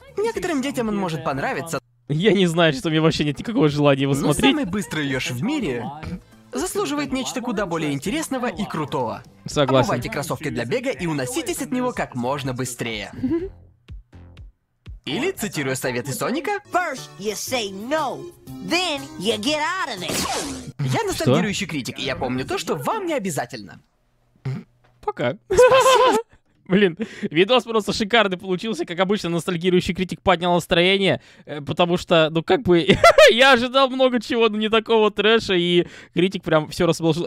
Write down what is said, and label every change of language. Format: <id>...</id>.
<ru>Некоторым детям он может понравиться. Я не знаю, что мне вообще нет никакого желания его смотреть. Самый быстрый ёж в мире заслуживает нечто куда более интересного и крутого. Согласен. Обувайте кроссовки для бега и уноситесь от него как можно быстрее. Или, цитируя советы Соника,</ru> <en>First you say no, then you get out of it.</en> <ru>Я ностальгирующий критик, и я помню то, что вам не обязательно. Пока. Спасибо. Блин, видос просто шикарный получился. Как обычно, ностальгирующий критик поднял настроение, потому что, ну как бы, я ожидал много чего, но не такого трэша, и критик прям все разложил.</ru>